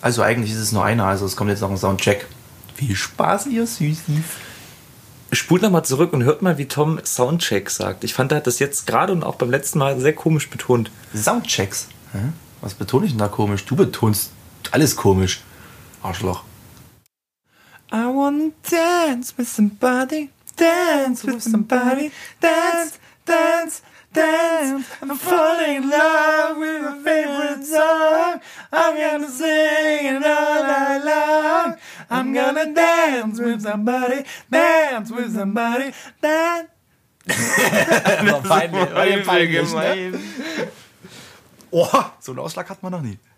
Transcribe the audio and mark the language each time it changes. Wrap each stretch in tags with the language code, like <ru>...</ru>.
<de>Also eigentlich ist es nur einer, also es kommt jetzt noch ein Soundcheck. Viel Spaß, ihr Süßen. Spult nochmal zurück und hört mal, wie Tom Soundcheck sagt. Ich fand, er hat das jetzt gerade und auch beim letzten Mal sehr komisch betont. Soundchecks? Hä? Was betone ich denn da komisch? Du betonst alles komisch. Arschloch.</de> <en>I wanna dance with somebody. Dance with somebody. Dance, dance, dance. I'm falling in love with my favorite song. I'm gonna sing it all night long. I'm gonna dance with somebody, dance with somebody, dance.</en> <de>Das war peinlich, gemein. Ne? Oh, so einen Ausschlag hat man noch nie.</de>